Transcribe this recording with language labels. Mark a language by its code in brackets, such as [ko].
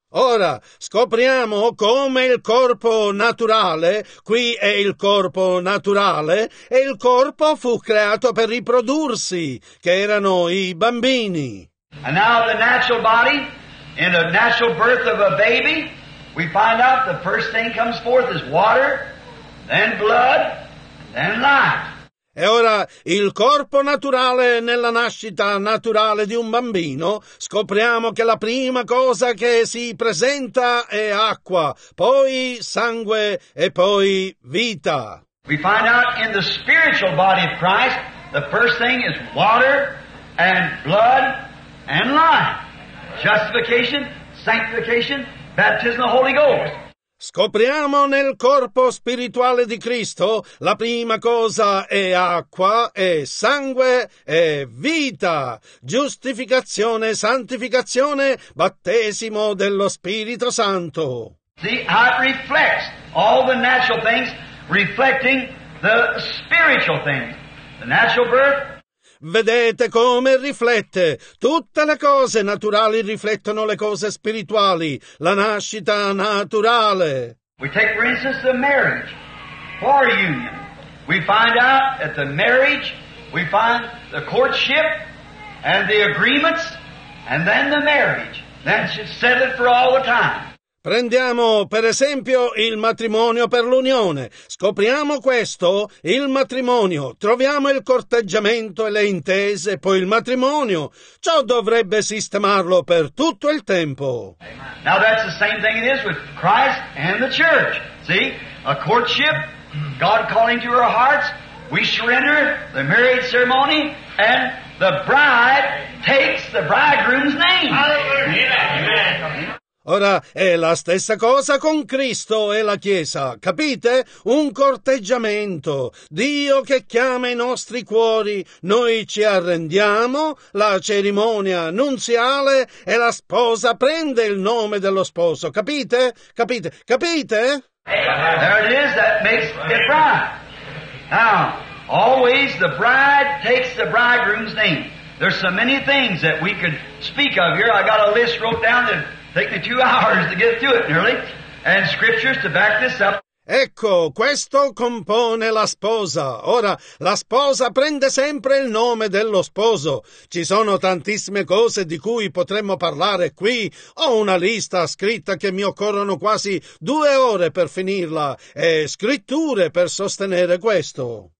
[it] Ora, scopriamo come il corpo naturale, qui è il corpo naturale, e il corpo fu creato per riprodursi, che erano i bambini. [en] And now the natural body, in the natural birth of a baby, we find out the first thing comes forth is water, then blood, then life. [it] E ora, il corpo naturale nella nascita naturale di un bambino, scopriamo che la prima cosa che si presenta è acqua, poi sangue e poi vita. [en] We find out in the spiritual body of Christ, the first thing is water and blood and life. Justification, sanctification, baptism of the Holy Ghost. [it] Scopriamo nel corpo spirituale di Cristo, la prima cosa è acqua, è sangue, è vita, giustificazione, santificazione, battesimo dello Spirito Santo. [en] See, how it reflects all the natural things, reflecting the spiritual things, the natural birth. [it] Vedete come riflette. Tutte le cose naturali riflettono le cose spirituali. La nascita naturale. [en] We take, for instance, the marriage for union. We find out at the marriage, we find the courtship and the agreements, and then the marriage. That should settle it for all the time. [it] Prendiamo per esempio il matrimonio per l'unione. Scopriamo questo, il matrimonio. Troviamo il corteggiamento e le intese, poi il matrimonio. Ciò dovrebbe sistemarlo per tutto il tempo. [en] Now that's the same thing it is with Christ and the church. See? A courtship, God calling to our hearts, we surrender the marriage ceremony and the bride takes the bridegroom's name. Hallelujah. Amen. [it] Ora, è la stessa cosa con Cristo e la Chiesa, capite? Un corteggiamento. Dio che chiama i nostri cuori, noi ci arrendiamo, la cerimonia nuziale e la sposa prende il nome dello sposo, capite? Capite? Capite? [en] There it is, that makes it bride. Now, always the bride takes the bridegroom's name. There's so many things that we could speak of here. I got a list wrote down that take me 2 hours to get to it nearly, and scriptures to back this up. [it] Ecco, questo compone la sposa. Ora, la sposa prende sempre il nome dello sposo. Ci sono tantissime cose di cui potremmo parlare qui. Ho una lista scritta che mi occorrono quasi 2 ore per finirla, e scritture per sostenere questo.